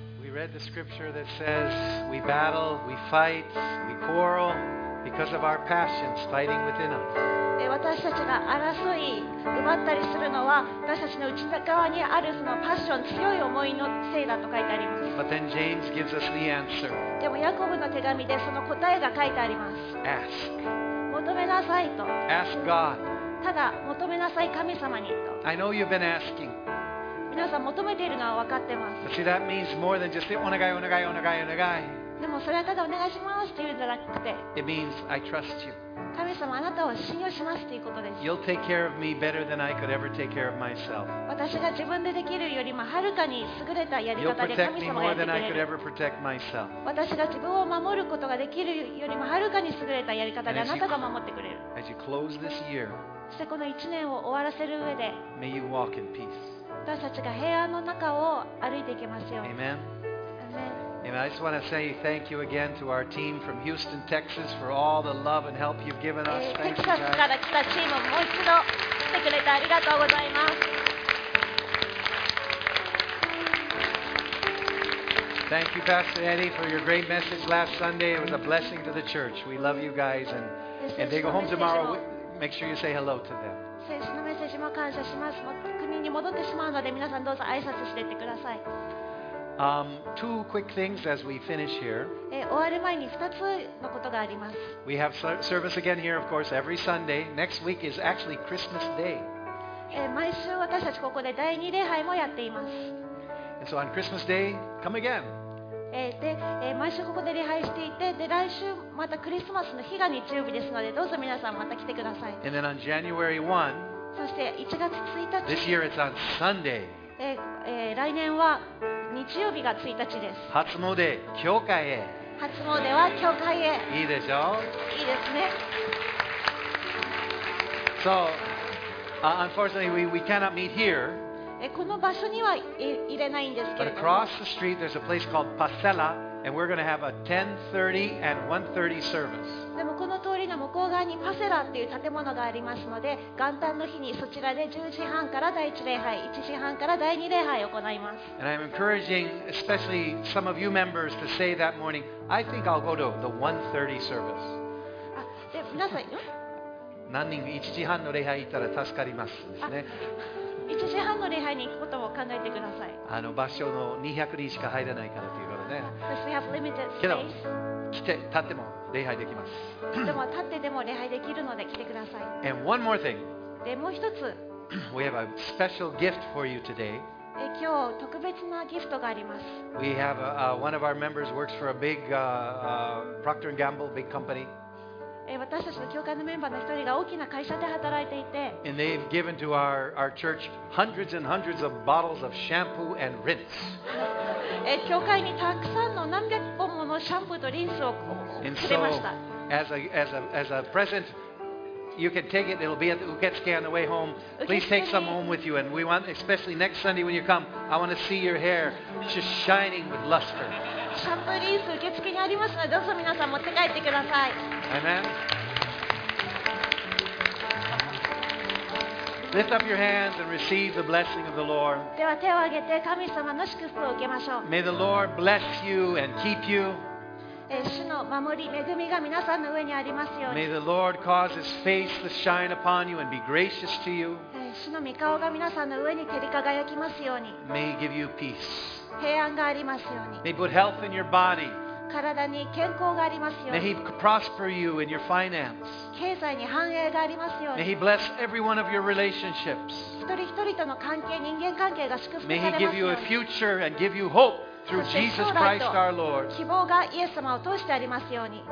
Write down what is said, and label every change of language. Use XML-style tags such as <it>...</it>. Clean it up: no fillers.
<en>read the scripture that says we battle, we fight, we quarrel because of our passions fighting within us.</en> <ja>私たちが争い奪ったりするのは私たちの内側にあるそのパッション、強い思いのせいだと書いてあります。</ja> <en>But then James gives us the answer.</en> <ja>でもヤコブの手紙でその答えが書いてあります。</ja> <en>Ask.</en> <ja>求めなさいと。</ja> <en>Ask God.</en> <ja>ただ求めなさい神様にと。</ja> <en>I know you've been asking.</en> <ja>皆さん求めているのは分かってます。</ja> <en>But see, that means more than just</en> <ja>お願いお願いお願いお願い。でもそれはただお願いしますっていうんじゃなくて、</ja> <en>It means I trust you.</en> <ja>神様、あなたを信用しますということです。</ja> <en>You'll take care of me better than I could ever take care of myself.</en> <ja>私が自分でできるよりもはるかに優れたやり方で神様がやってくれる。</ja> <en>You'll protect me more than I could ever protect myself.</en> <ja>私が自分を守ることができるよりもはるかに優れたやり方であなたが守ってくれる。</ja> <en>As you close this year,</en> <ja>そしてこの1年を終わらせる上で、</ja> <en>May you walk in peace.</en> <ja>私たちが平安の中を歩いていきますように。</ja> <en>Amen. And I just want to say thank you again to our team from Houston, Texas for all the love and help you've given us. Thank you, guys.</en> <ja>から来たチームもう一度来てくれてありがとうございます。</ja> <en>Thank you, Pastor Eddie, for your great message last Sunday. It was a blessing to the church. We love you guys. And they go home tomorrow. Make sure you say hello to them.</en> <ja>先週のメッセージも感謝します。国に戻ってしまうので皆さんどうぞ挨拶していってください。</ja> <en>Two quick things as we finish here.</en> <ja>終わる前に2つのことがあります。</ja> <en>We have service again here, of course, every Sunday. Next week is actually Christmas Day.</en> <ja>毎週私たちここで第2礼拝もやっています。</ja> <en>And so on Christmas Day, come again.</en> <ja>で、毎週ここで礼拝していて、で、来週またクリスマスの日が日曜日ですので、どうぞ皆さんまた来てください。</ja> <en>And then on January 1,</en> <ja>そして1月1日、</ja> <en>This year it's on Sunday.</en> <ja>来年は日曜日が1日です。初詣、教会へ。初詣は教会へ。いいでしょ。いいですね。</ja> <en>So, unfortunately, we cannot meet here.</en> <ja>この場所には入れないんですけど、</ja> <en>But across the street there's a place called Pasela, and we're going to have a 10:30 and 1:30 service.</en> <ja>でもこの通りの向こう側にパセラっていう建物がありますので、元旦の日にそちらで10時半から第1礼拝、1時半から第2礼拝を行います。</ja> <en>And I'm encouraging especially some of you members to say that morning, I think I'll go to the 1:30 service.</en> <ja>あ、で、皆さん何人1時半の礼拝行ったら助かりますですね。 1時半の礼拝に行くことを考えてください。あの場所の200人しか入らないからということね。</ja> <en>Because we have limited space.</en> <ja>けど来て立っても礼拝できます。でも立ってでも礼拝できるので来てください。</ja> <en>And one more thing.</en> <ja>でもう一つ。</ja> <en>We have a special gift for you today.</en> <ja>今日特別なギフトがあります。</ja> <en>We have one of our members works for a big Procter & Gamble, big company.</en> <ja>私たちの教会のメンバーの一人が大きな会社で働いていて。</ja> <en>And they've given to our church hundreds and hundreds of bottles of shampoo and rinse. 教会にたくさんの何百本ものシャンプーとリンスをくれました。 And so, as a present, you can take it. It'll be at the Uketsuke on the way home. Please take some home with you. And we want, especially next Sunday when you come, I want to see your hair just shining with luster.</en> <ja>シャンプーリンス受付にありますので、どうぞ皆さん持って帰ってください。</ja> <en>Amen. Lift up your hands and receive the blessing of the Lord.</en> <ja>では手を挙げて神様の祝福を受けましょう。</ja> <en>May the Lord bless you and keep you.</en> <ja>主の守り、恵みが皆さんの上にありますように。</ja> <en>May the Lord cause His face to shine upon you and be gracious to you.</en> <ja>主の御顔が皆さんの上に照り輝きますように。</ja> <en>May He give you peace.</en> <ja>平安がありますように。</ja> <en>May He put health in your body.</en> <ja>体に健康がありますように。</ja> <en>May He prosper you in your finance.</en> <ja>経済に繁栄がありますように。</ja> <en>May He bless every one of your relationships.</en> <ja>一人一人との関係、人間関係が祝福されますように。</ja> <en>May He give you a future and give you hope through Jesus Christ our Lord.</en> <ja>希望がイエス様を通してありますように。</ja>